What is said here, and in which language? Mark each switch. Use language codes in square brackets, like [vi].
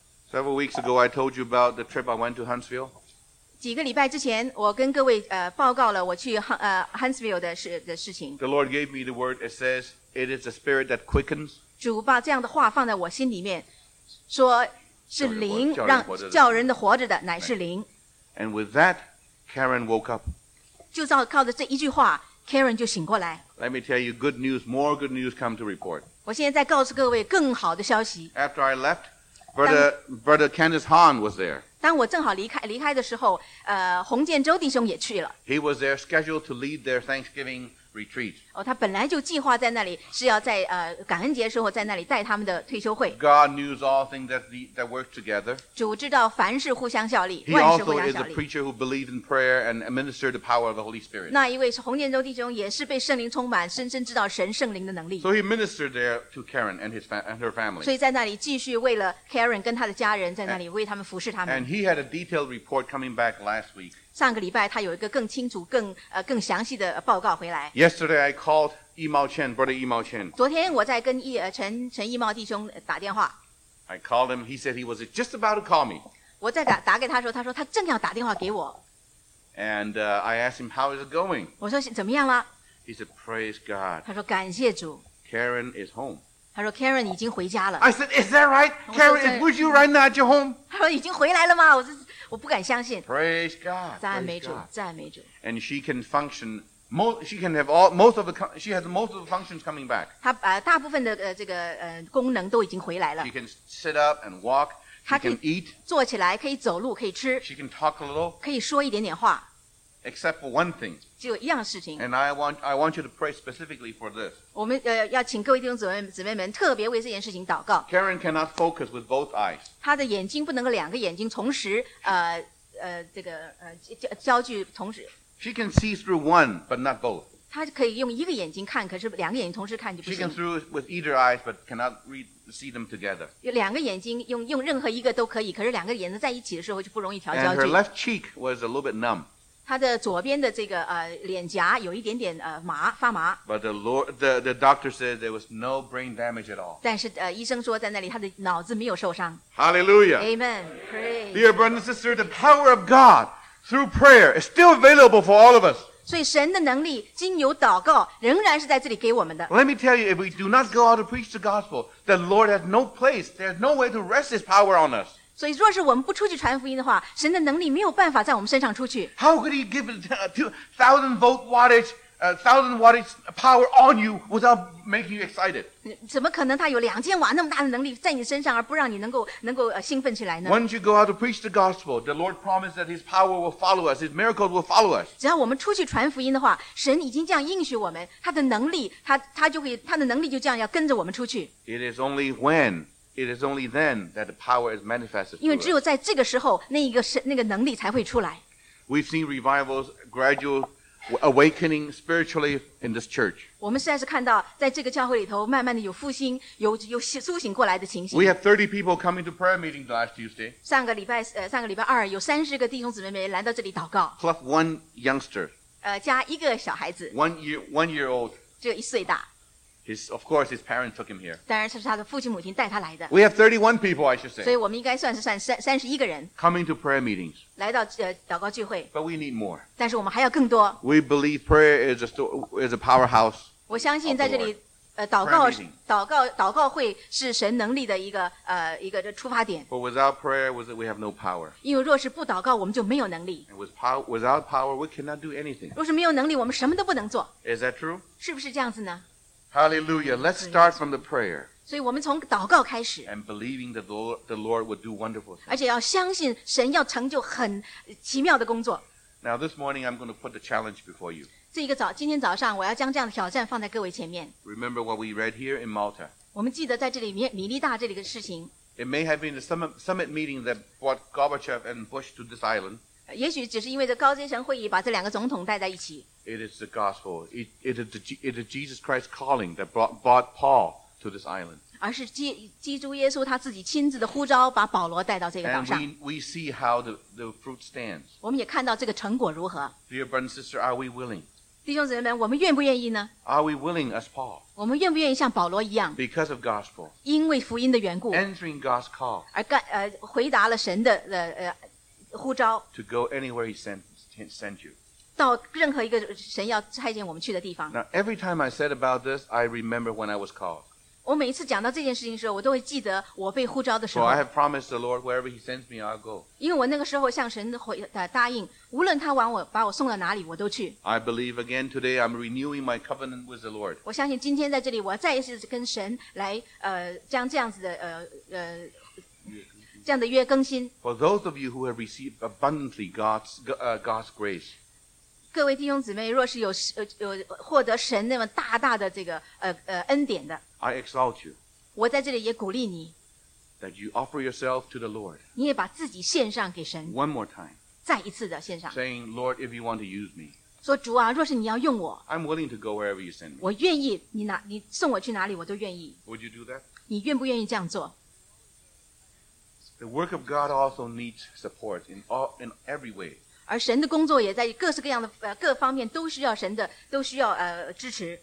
[en] Several weeks ago, I told you about the trip I went to Huntsville. [zh] 几个礼拜之前，我跟各位报告了我去Huntsville 的事情。 [en] The Lord gave me the word. It says, "It is the Spirit that quickens." [zh] 主把这样的话放在我心里面，说是灵让叫人的活着的，乃是灵。 [en] And with that, Karen woke up. [zh] 就靠着这一句话 ，Karen 就醒过来。 [en] Let me tell you, good news. More good news come to report. [zh] 我现在再告诉各位更好的消息。 [en] After I left. Brother Kenneth Hahn was there. [zh] 当我正好离开的时候，洪建州弟兄也去了。 [en] He was there, scheduled to lead their Thanksgiving retreat. [zh] 哦，他本来就计划在那里是要在感恩节时候在那里带他们的退休会。 [en] God knows all things that work together. [zh] 主知道凡事互相效力，万事互相效力。 [en] He also is a preacher who believed in prayer and administered the power of the Holy Spirit. [zh] 那一位洪建州弟兄也是被圣灵充满，深深知道神圣灵的能力。 [en] So he ministered there to Karen and her family. [zh] 所以在那里继续为了 Karen 跟他的家人在那里为他们服侍他们。 [en] And he had a detailed report coming back last week. [zh] 上个礼拜他有一个更清楚更详细的报告回来。 [en] Yesterday I called Yimao Chen, Brother Yimao Chen. [zh] 昨天我在跟陈义茂弟兄打电话。 [en] I called him. He said he was just about to call me. [zh] 我在打给他的时候，他说他正要打电话给我。 [en] And I asked him, how is it going? [zh] 我说怎么样了？ [en] He said, praise God. [zh] 他说感谢主。 [en] Karen is home. [zh] 他说 Karen 已经回家了。 [en] I said, is that right? Karen, would you right now at your home? [zh] 他说已经回来了吗？我不敢相信。 [en] Praise God. [zh] 赞美主，赞美主。 [en] And she can function, she can have all, most of the, she has most of the functions coming back. [zh] 他大部分的这个功能都已经回来了。 [en] She can sit up and walk. She can eat. [zh] 坐起来，可以走路，可以吃。 [en] She can talk a little. [zh] 可以说一点点话。 [en] Except for one thing. [zh] 就一样事情。 [en] And I want you to pray specifically for this. [zh] 我们要请各位弟兄姊妹们特别为这件事情祷告。 [en] Karen cannot focus with both eyes. [zh] 她的眼睛不能够两个眼睛同时这个焦距同时。 [en] She can see through one, but not both. [zh] 她可以用一个眼睛看，可是两个眼睛同时看就不行。 [en] She can through with either eyes, but cannot see them together. [zh] 两个眼睛用任何一个都可以，可是两个眼睛在一起的时候就不容易调焦距。 [en] And her left cheek was a little bit numb. [zh] 他的左边的这个脸颊有一点点麻发麻。 [en] But the doctor said there was no brain damage at all. [zh] 但是医生说在那里他的脑子没有受伤。 [en] Hallelujah. Amen. Praise. Dear brothers and sisters, the power of God through prayer is still available for all of us. [zh] 所以神的能力经由祷告仍然是在这里给我们的。 [en] Let me tell you, if we do not go out to preach the gospel, the Lord has no place, there's no way to rest His power on us. [zh] 所以，若是我们不出去传福音的话，神的能力没有办法在我们身上出去。 [en] How could He give a thousand wattage power on you without making you excited? [zh] 怎么可能他有2000瓦那么大的能力在你身上，而不让你能够兴奋起来呢 [en] ？Once you go out to preach the gospel, the Lord promised that His power will follow us, His miracles will follow us. [zh] 只要我们出去传福音的话，神已经这样应许我们，他的能力就这样要跟着我们出去。 [en] It is only then that the power is manifested. [zh] 因为只有在这个时候，那个能力才会出来。 [en] We've seen revivals, gradual awakening spiritually in this church. [zh] 我们实在是看到，在这个教会里头，慢慢的有复兴，有苏醒过来的情形。 [en] We have 30 people coming to prayer meeting last Tuesday. [zh] 上个礼拜二，有30个弟兄姊妹来到这里祷告。 [en] Plus one youngster. [zh] 加一个小孩子。 [en] One year old. [zh] 只有一岁大。 [en] Of course, his parents took him here. [zh] 当然是他的父亲母亲带他来的。 [en] We have 31 people, I should say. [zh] 所以我们应该算31个人。 [en] Coming to prayer meetings. [zh] 来到祷告聚会。 [en] But we need more. [zh] 但是我们还要更多。 [en] We believe prayer is a powerhouse. [zh] 我相信在这里祷告会是神能力的一个出发点。 [en] But without prayer, we have no power. [zh] 因为若是不祷告，我们就没有能力。 [en] Without power, we cannot do anything. [zh] 若是没有能力，我们什么都不能做。 [en] Is that true? [zh] 是不是这样子呢？ [en] Hallelujah. Let's start from the prayer. [zh] 所以我们从祷告开始。 [en] And believing that the Lord would do wonderful things. [zh] 而且要相信神要成就很奇妙的工作。 [en] Now this morning I'm going to put the challenge before you. [zh] 今天早上我要将这样的挑战放在各位前面。 [en] Remember what we read here in Malta. [zh] 我们记得在这里米利大这里的事情。 [en] It may have been the summit meeting that brought Gorbachev and Bush to this island. [zh] 也许只是因为这高阶层会议把这两个总统带在一起。 [en] It is the gospel. It is Jesus Christ's calling that brought Paul to this island. [zh] 而是基督耶稣他自己亲自的呼召，把保罗带到这个岛上。 [en] And we see how the fruit stands. [zh] 我们也看到这个成果如何。 [en] Dear brothers and sisters, are we willing? [zh] 弟兄姊妹们，我们愿不愿意呢 [en] ？Are we willing as Paul? [zh] 我们愿不愿意像保罗一样 [en] ？Because of gospel. [zh] 因为福音的缘故。 [en] Answering God's call. [zh] 而回答了神的呼召。 [en] To go anywhere He sent you. [zh] 到任何一个神要差遣我们去的地方。 [en] Now, every time I said about this, I remember when I was called. [zh] 我每一次讲到这件事情的时候，我都会记得我被呼召的时候。 [en] For I have promised the Lord wherever He sends me, I'll go. [zh] 因为我那个时候向神答应，无论他把我送到哪里，我都去。 [en] I believe again today I'm renewing my covenant with the Lord. [zh] 我相信今天在这里，我再一次跟神来将这样的约更新。 [en] For those of you who have received abundantly God's grace. [zh] 各位弟兄姊妹，若是有获得神那么大大的这个恩典的 [en] ，I exalt you， [zh] 我在这里也鼓励你 [en] ，that you offer yourself to the Lord， [zh] 你也把自己献上给神 [en] ，one more time， [zh] 再一次的献上 [en] ，saying Lord if you want to use me， [zh] 说主啊，若是你要用我 [en] ，I'm willing to go wherever you send me， [zh] 我愿意你送我去哪里我都愿意 [en] ，Would you do that？ [zh] 你愿不愿意这样做 [en] ？The work of God also needs support in every way。 [zh] 而神的工作也在各式各样的各方面都需要神的都需要支持。